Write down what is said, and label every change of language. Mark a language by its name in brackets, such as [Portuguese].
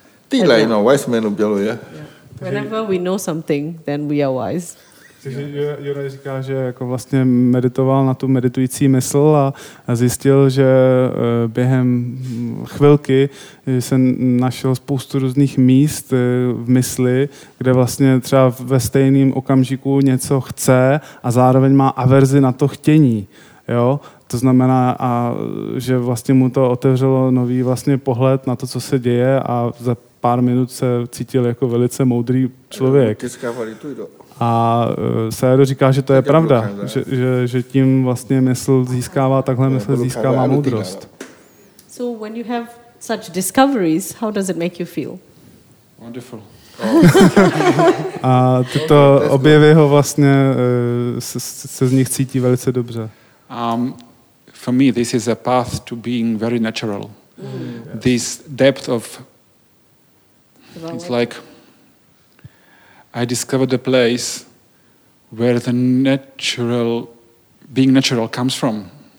[English] Whenever we know something, then we are wise. [Czech] Jura říká, že jako vlastně meditoval na tu meditující mysl a zjistil, že během chvilky se našel spoustu různých míst v mysli, kde vlastně třeba ve stejném okamžiku něco chce a zároveň má averzi na to chtění. Jo? To znamená, že vlastně mu to otevřelo nový vlastně pohled na to, co se děje a za pár minut se cítil jako velice moudrý člověk. A Sayadaw říká, že to je pravda, že tím vlastně mysl získává, takhle mysl získává moudrost. [English] So when you have such discoveries, how does it make you feel? Wonderful. [Czech] A tyto objevy ho vlastně se z nich cítí velice dobře. [English] For me this is a path to being very natural. This depth of it's like I discovered a place where the natural, being natural comes from.